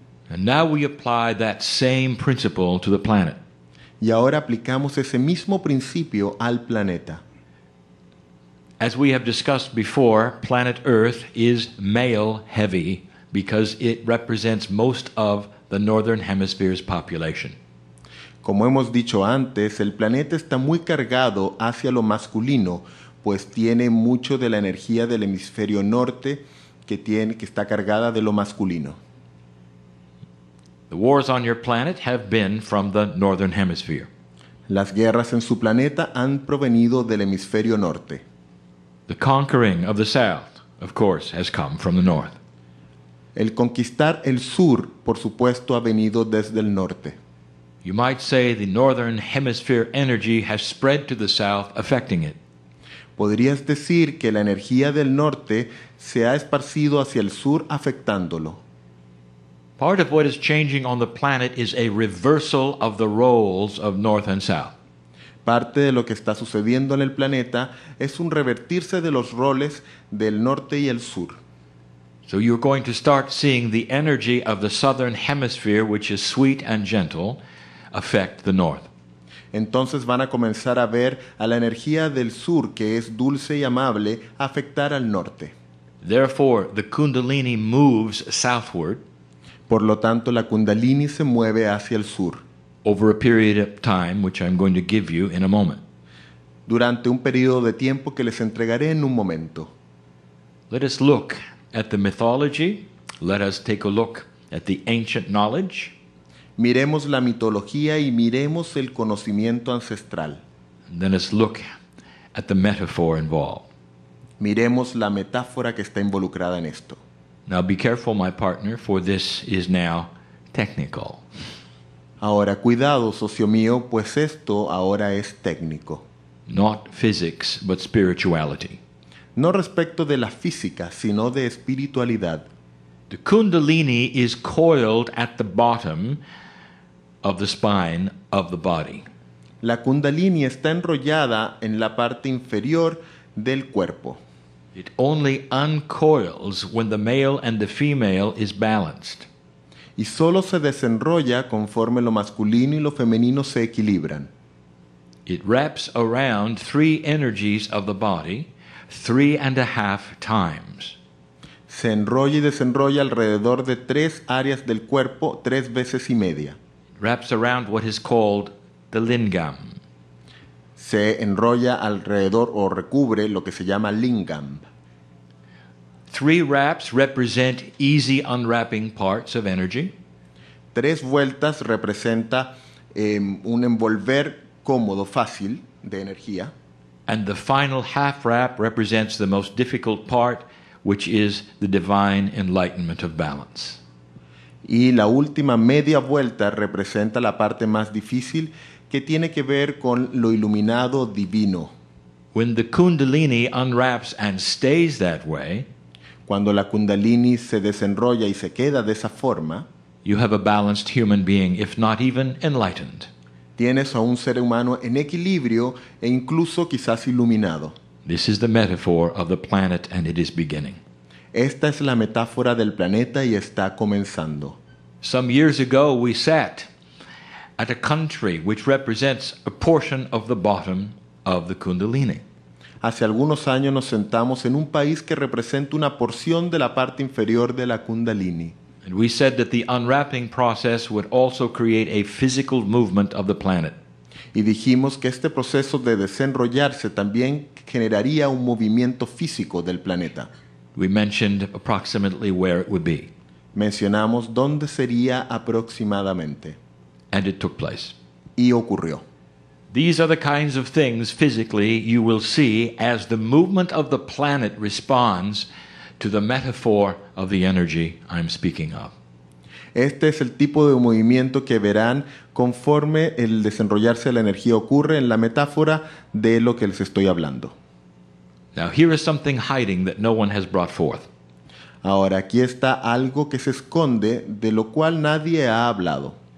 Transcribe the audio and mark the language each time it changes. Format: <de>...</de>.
<en>And now we apply that same principle to the planet.</en> <es>Y ahora aplicamos ese mismo principio al planeta.</es> <en>As we have discussed before, planet Earth is male heavy because it represents most of the Northern Hemisphere's population.</en> <es>Como hemos dicho antes, el planeta está muy cargado hacia lo masculino, pues tiene mucho de la energía del hemisferio norte que está cargada de lo masculino.</es> <en>The wars on your planet have been from the Northern Hemisphere.</en> <es>Las guerras en su planeta han provenido del hemisferio norte.</es> <en>The conquering of the South, of course, has come from the North.</en> <es>El conquistar el sur, por supuesto, ha venido desde el norte.</es> <en>You might say the Northern Hemisphere energy has spread to the South, affecting it.</en> <es>Podrías decir que la energía del norte se ha esparcido hacia el sur, afectándolo.</es> <en>Part of what is changing on the planet is a reversal of the roles of North and South.</en> <es>Parte de lo que está sucediendo en el planeta es un revertirse de los roles del norte y el sur.</es> <en>So you're going to start seeing the energy of the southern hemisphere, which is sweet and gentle, affect the north.</en> <es>Entonces van a comenzar a ver a la energía del sur, que es dulce y amable, afectar al norte.</es> <en>Therefore, the Kundalini moves southward.</en> <es>Por lo tanto, la Kundalini se mueve hacia el sur.</es> <en>Over a period of time, which I'm going to give you in a moment.</en> <es>Durante un periodo de tiempo que les entregaré en un momento.</es> <en>Let us look at the mythology. Let us take a look at the ancient knowledge.</en> <es>Miremos la mitología y miremos el conocimiento ancestral.</es> <en>Then let's look at the metaphor involved.</en> <es>Miremos la metáfora que está involucrada en esto.</es> <en>Now be careful, my partner, for this is now technical.</en> <es>Ahora, cuidado, socio mío, pues esto ahora es técnico.</es> <en>Not physics, but spirituality.</en> <es>No respecto de la física, sino de espiritualidad.</es> <en>The Kundalini is coiled at the bottom of the spine of the body.</en> <es>La Kundalini está enrollada en la parte inferior del cuerpo.</es> <en>It only uncoils when the male and the female is balanced.</en> <es>Y solo se desenrolla conforme lo masculino y lo femenino se equilibran.</es> <en>It wraps around three energies of the body 3.5 times.</en> <es>Se enrolla y desenrolla alrededor de tres áreas del cuerpo 3.5 veces.</es> <en>It wraps around what is called the lingam.</en> <es>Se enrolla alrededor o recubre lo que se llama lingam.</es> <en>Three wraps represent easy unwrapping parts of energy.</en> <es>Tres vueltas representa un envolver cómodo, fácil, de energía.</es> <en>And the final half wrap represents the most difficult part, which is the divine enlightenment of balance.</en> <es>Y la última media vuelta representa la parte más difícil, que tiene que ver con lo iluminado divino.</es> <en>When the Kundalini unwraps and stays that way,</en> <es>cuando la Kundalini se desenrolla y se queda de esa forma,</es> <en>you have a balanced human being, if not even enlightened.</en> <es>Tienes a un ser humano en equilibrio e incluso quizás iluminado.</es> <en>This is the metaphor of the planet and it is beginning.</en> <es>Esta es la metáfora del planeta y está comenzando.</es> <en>Some years ago we sat at a country which represents a portion of the bottom of the Kundalini.</en> <es>Hace algunos años nos sentamos en un país que representa una porción de la parte inferior de la Kundalini.</es> <en>And we said that the unwrapping process would also create a physical movement of the planet.</en> <es>Y dijimos que este proceso de desenrollarse también generaría un movimiento físico del planeta.</es> <en>We mentioned approximately where it would be.</en> <es>Mencionamos dónde sería aproximadamente.</es> <en>And it took place.</en> <es>Y ocurrió.</es> <en>These are the kinds of things physically you will see as the movement of the planet responds to the metaphor of the energy I'm speaking of.</en> <es>Este es el tipo de movimiento que verán conforme el desenrollarse de la energía ocurre en la metáfora de lo que les estoy hablando.</es> <en>Now here is something hiding that no one has brought forth.</en> <es>Ahora aquí está algo que se esconde de lo cual nadie ha hablado.</es>